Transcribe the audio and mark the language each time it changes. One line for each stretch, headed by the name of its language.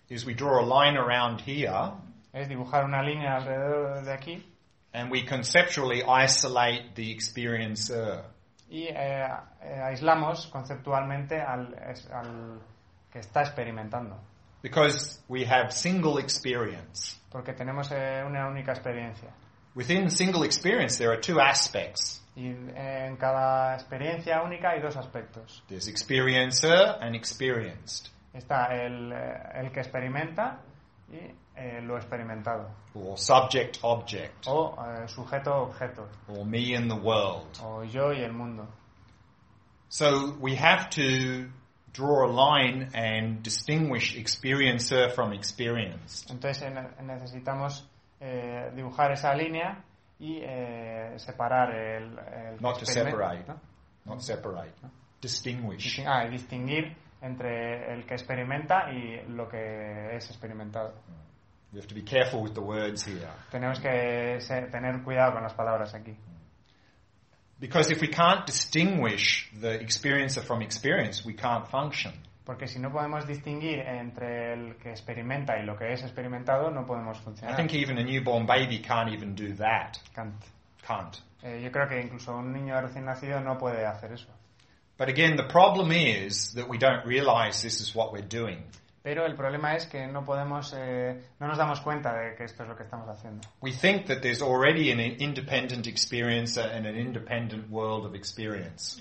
English: Is we draw a line around here.
Spanish: Es dibujar una línea alrededor de aquí.
English: And we conceptually isolate the experiencer.
Spanish: y aislamos conceptualmente al que está experimentando.
English: Because we have single experience.
Spanish: Porque tenemos una única experiencia.
English: Within single experience there are two aspects.
Spanish: Y en cada experiencia única hay dos aspectos.
English: There's experiencer and experienced.
Spanish: Está el que experimenta y lo experimentado.
English: Or subject object.
Spanish: O sujeto objeto.
English: Or me and the world.
Spanish: O yo y el mundo.
English: So we have to draw a line and distinguish experiencer from experienced.
Spanish: Entonces necesitamos dibujar esa línea y separar el
English: not to separate, ¿no? Not separate, ¿no? Distinguish.
Spanish: Y distinguir entre el que experimenta y lo que es experimentado.
English: You have to be careful with the words here.
Spanish: Tenemos que tener cuidado con las palabras aquí.
English: Because if we can't distinguish the experiencer from experience, we can't function.
Spanish: Porque si no podemos distinguir entre el que experimenta y lo que es experimentado, no podemos funcionar.
English: I think even a newborn baby can't even do that. Can't.
Spanish: Yo creo que incluso un niño recién nacido no puede hacer eso.
English: But again, the problem is that we don't realize this is what we're doing.
Spanish: Pero el problema es que no podemos, no nos damos cuenta de que esto es lo que estamos haciendo.
English: We think that there's already an independent experience and an independent world of experience.